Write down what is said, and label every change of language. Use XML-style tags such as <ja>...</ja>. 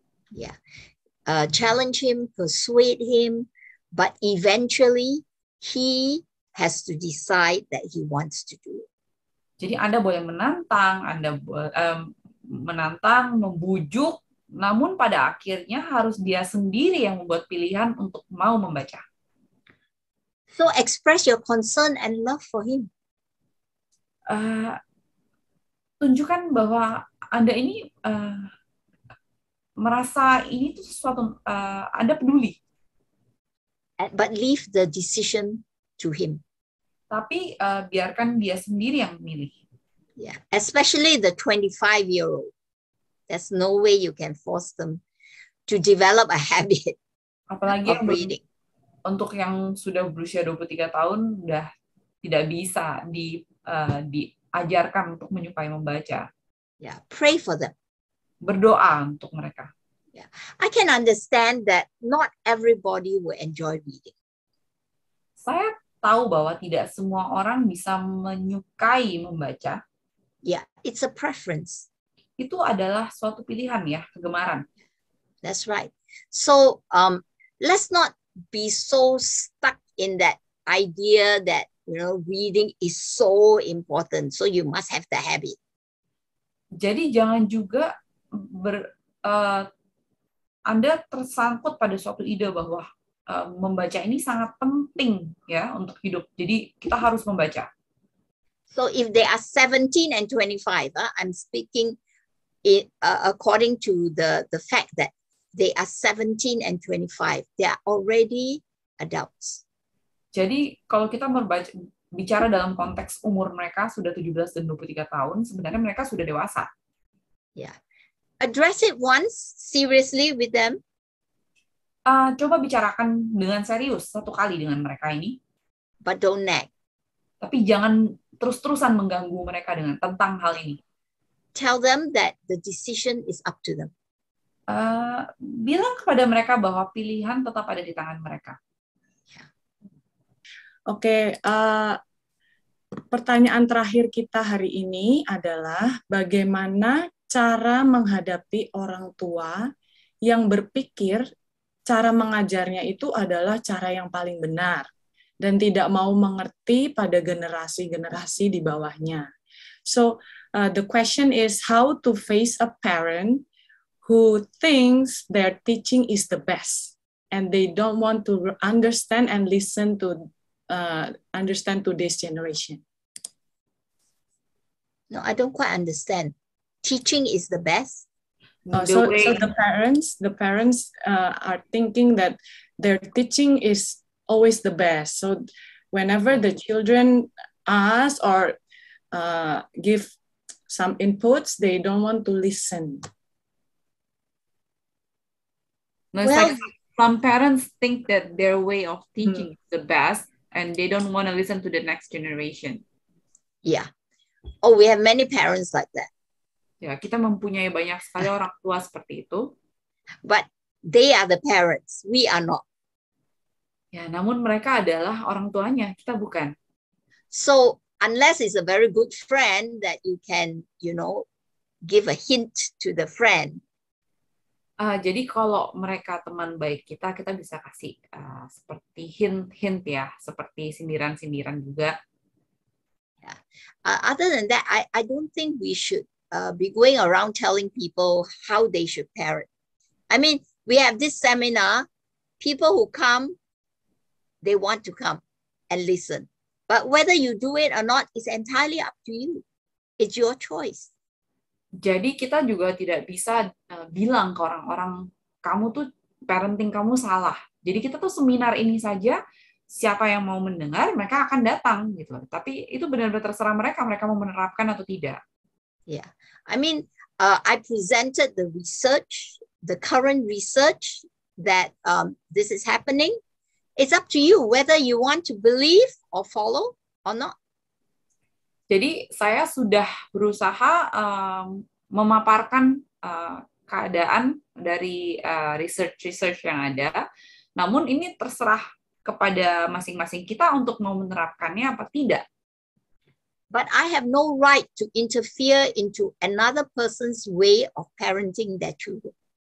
<en>Yeah, challenge him, persuade him, but eventually he has to decide that he wants to do it.</en> <id>Jadi Anda boleh menantang, Anda menantang, membujuk, namun pada akhirnya harus dia sendiri yang membuat pilihan untuk mau membaca.</id> <en>So express your concern and love for him.</en> <id>Tunjukkan bahwa Anda ini merasa ini tuh sesuatu Anda peduli.</id> <en>But leave the decision to him.</en> <id>Tapi biarkan dia sendiri yang memilih.</id> <en>Yeah, especially the 25-year-old. There's no way you can force them to develop a habit.</en> <id>Apalagi</id> <en>of reading.</en> <id>Untuk yang sudah berusia 23 tahun udah tidak bisa diajarkan untuk menyukai membaca.</id> <en>Yeah, pray for them.</en> <id>Berdoa untuk mereka.</id> <en>Yeah. I can understand that not everybody will enjoy reading.</en> <id>Saya tahu bahwa tidak semua orang bisa menyukai membaca.</id> <en>Yeah, it's a preference.</en> <id>Itu adalah suatu pilihan ya, kegemaran.</id> <en>That's right. So, let's not be so stuck in that idea that, you know, reading is so important, so you must have the habit.</en> <id>Jadi jangan juga Anda tersangkut pada suatu ide bahwa membaca ini sangat penting ya untuk hidup. Jadi kita harus membaca.</id> <en>So if they are 17 and 25, I'm speaking it according to the fact that they are 17 and 25. They are already adults.</en> <id>Jadi kalau kita bicara dalam konteks umur mereka sudah 17 dan 23 tahun, sebenarnya mereka sudah dewasa.</id> <en>Yeah. Address it once seriously with them.</en> <id>Coba bicarakan dengan serius satu kali dengan mereka ini.</id> <en>But don't nag.</en> <id>Tapi jangan terus-terusan mengganggu mereka dengan tentang hal ini.</id> <en>Tell them that the decision is up to them.</en> <id>Bilang kepada mereka bahwa pilihan tetap ada di tangan mereka. Oke, pertanyaan terakhir kita hari ini adalah bagaimana cara menghadapi orang tua yang berpikir cara mengajarnya itu adalah cara yang paling benar dan tidak mau mengerti pada generasi-generasi di bawahnya.</id> <en>So, the question is how to face a parent who thinks their teaching is the best and they don't want to understand and listen to understand to this generation. No, I don't quite understand. Teaching is the best. So the parents are thinking that their teaching is always the best. So whenever the children ask or give some inputs, they don't want to listen. Some parents think that their way of teaching is the best, and they don't want to listen to the next generation. Yeah. Oh, we have many parents like that.</en> <id>Ya, kita mempunyai banyak sekali orang tua seperti itu.</id> <en>But they are the parents, we are not.</en> <id>Ya, namun mereka adalah orang tuanya, kita bukan.</id> <en>So, unless it's a very good friend that you can, you know, give a hint to the friend.</en> <id>Jadi kalau mereka teman baik kita, kita bisa kasih seperti hint-hint ya, seperti sindiran-sindiran juga.</id> <en>Yeah. Other than that, I don't think we should be going around telling people how they should parent. I mean, we have this seminar, people who come, they want to come and listen. But whether you do it or not, it's entirely up to you. It's your choice.</en> <id>Jadi kita juga tidak bisa bilang ke orang-orang, kamu tuh parenting kamu salah. Jadi kita tuh seminar ini saja, siapa yang mau mendengar, mereka akan datang. Gitu. Tapi itu benar-benar terserah mereka, mereka mau menerapkan atau tidak.</id> <en>Yeah, I mean, I presented the research, the current research that this is happening. It's up to you whether you want to believe or follow or not.</en> <id>Jadi saya sudah berusaha memaparkan keadaan dari research-research yang ada. Namun ini terserah kepada masing-masing kita untuk mau menerapkannya apa tidak.</id> <en>But I have no right to interfere into another person's way of parenting their children.</en>